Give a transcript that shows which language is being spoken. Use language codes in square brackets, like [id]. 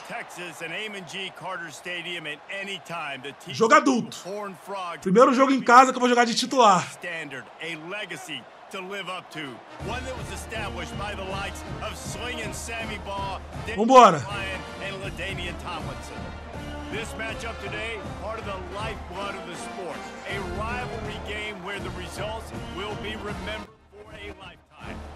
[en] Texas and AMG Carter Stadium at any time. [pt] Joga adulto. Primeiro jogo em casa que eu vou jogar de titular. [en] Standard, a legacy to live up to. One that was established by the likes of Swingin' Sammy Baugh, Dick Ryan, and LaDainian Tomlinson. This matchup today, part of the lifeblood of the sport. A rivalry game where the results will be remembered for a lifetime.